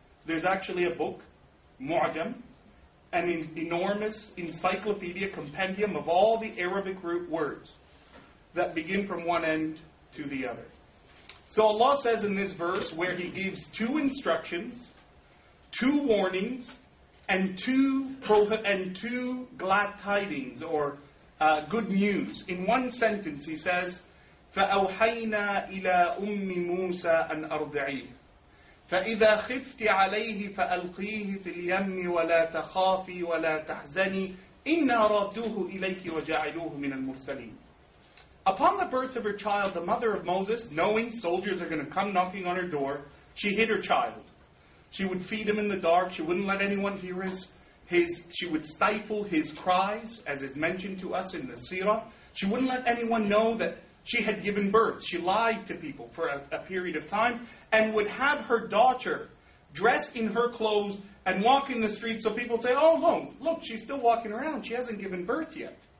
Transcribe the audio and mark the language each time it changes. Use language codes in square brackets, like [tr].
[en] There's actually a book, Mu'jam, an enormous encyclopedia, compendium of all the Arabic root words that begin from one end to the other. So Allah says in this verse where He gives two instructions, two warnings, and two glad tidings, or good news. In one sentence, He says, [ar] فَأَوْحَيْنَا إِلَىٰ أُمِّ مُوسَىٰ أَنْ أَرْضِعِيهِ فَإِذَا خِفْتِ عَلَيْهِ فَأَلْقِيهِ فِي الْيَمِّ وَلَا تَخَافِي وَلَا تَحْزَنِي إِنَّا رَدُّوهُ إِلَيْكِ وَجَعِلُوهُ مِنَ الْمُرْسَلِينَ. [en] Upon the birth of her child, the mother of Moses, knowing soldiers are going to come knocking on her door, she hid her child. She would feed him in the dark. She wouldn't let anyone hear his. She would stifle his cries, as is mentioned to us in the seerah. She wouldn't let anyone know that she had given birth. She lied to people for a period of time, and would have her daughter dress in her clothes and walk in the street so people say, oh, look, she's still walking around. She hasn't given birth yet.